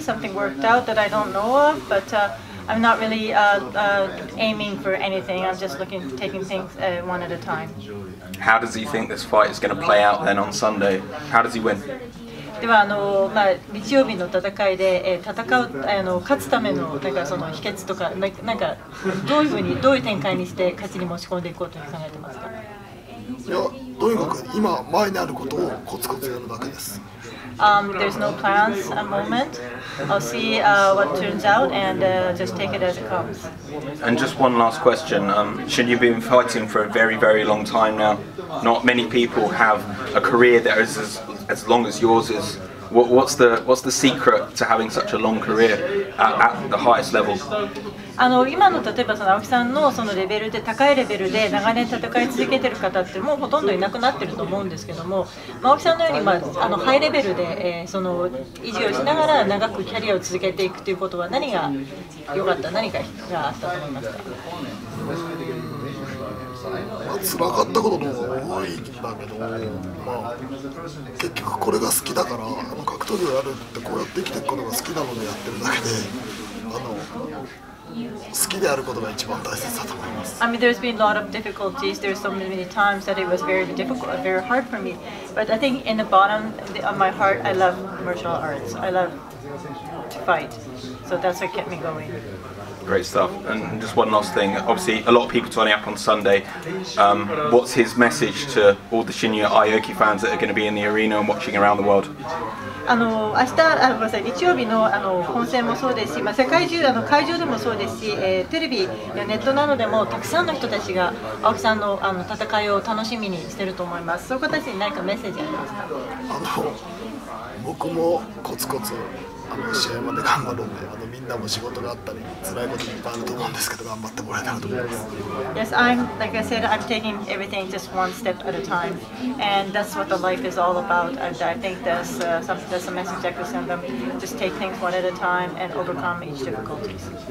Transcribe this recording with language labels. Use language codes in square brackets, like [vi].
[en] Something worked out that I don't know of. But I'm not really aiming for anything. I'm just looking, taking things one at a time. How does he think this fight is going to play out then on Sunday? How does he win? [ja] ではあのまあ日曜日の戦いで戦うあの勝つためのなんかその秘訣とかなんかどういうふうにどういう展開にして勝ちに持ち込んでいこうと考えてますか。いやとにかく今前にあることをコツコツやるだけです。 [en] There's no plans at the moment. I'll see what turns out and just take it as it comes. And just one last question. Should you be fighting for a very, very long time now? Not many people have a career that is as long as yours is. What's the secret to having such a long career at the highest level? [ja] あの今の例えばその青木さんのそのレベルで高いレベルで長年戦い続けてる方ってもうほとんどいなくなってると思うんですけども、まあ、青木さんのように、まあ、あのハイレベルで、その維持をしながら長くキャリアを続けていくということは何が良かった何かがあったと思いますか。つらかったことの方が多いんだけど、まあ、結局これが好きだからあの格闘技をやるってこうやって生きていくことが好きなのでやってるだけで。あの [en] I mean, there's been a lot of difficulties. There's so many times that it was very difficult, very hard for me. But I think in the bottom of my heart, I love martial arts. I love to fight. So that's what kept me going. Great stuff. And just one last thing. Obviously, a lot of people turning up on Sunday. What's his message to all the Shinya Aoki fans that are going to be in the arena and watching around the world? [ja] あの明日、あ、ごめんなさい、日曜日の、あの本戦もそうですし、まあ、世界中あの会場でもそうですし、テレビやネットなどでもたくさんの人たちが青木さんの、あの戦いを楽しみにしてると思います。そういう方たちに何かメッセージありますか？あの僕もコツコツあの試合まで頑張ろうね。あのみんなも仕事があったり辛いこといっぱいあると思うんですけど、頑張ってもらえたらと思います。 [en] Yes, I'm like I said, I'm taking everything just one step at a time, and that's what the life is all about. And I think there's something, there's a message that could send them, just take things one at a time and overcome each difficulties.